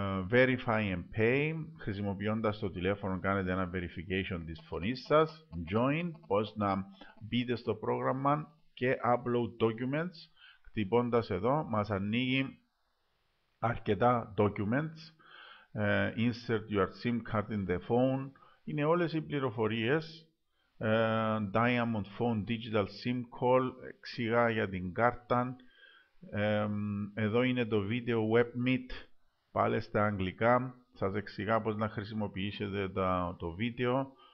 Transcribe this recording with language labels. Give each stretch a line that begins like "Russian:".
Greek: Verify and pay, χρησιμοποιώντας το τηλέφωνο κάνετε ένα verification της φωνής σας. Join, πως να μπείτε στο πρόγραμμα και upload documents, χτυπώντας εδώ μας ανοίγει αρκετά documents.
English: Insert your SIM card in the phone, είναι όλες οι πληροφορίες.
Greek: Diamond phone digital SIM call, εξηγά για την κάρτα. Εδώ είναι το video web meet. Πάλι στα αγγλικά, σας εξηγά πώς να χρησιμοποιήσετε το βίντεο.